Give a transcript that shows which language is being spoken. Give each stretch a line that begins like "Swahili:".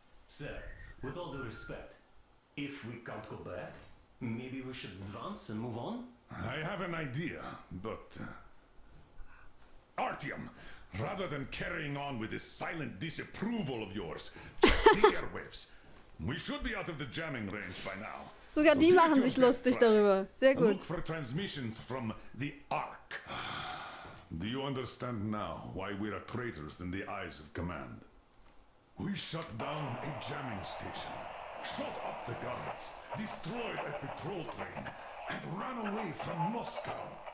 English: Sir, with all due respect, if we can't go back, maybe we should advance and move on? I have an idea, but... Artyom, rather than carrying on with this silent disapproval of yours, check the airwaves. We should be out of the jamming range by now.
German: Sogar die machen sich lustig darüber. Sehr gut.
English: Look for transmissions from the Ark. Do you understand now why we are traitors in the eyes of command? We shut down a jamming station, shot up the guards, destroyed a patrol train, and ran away from Moscow.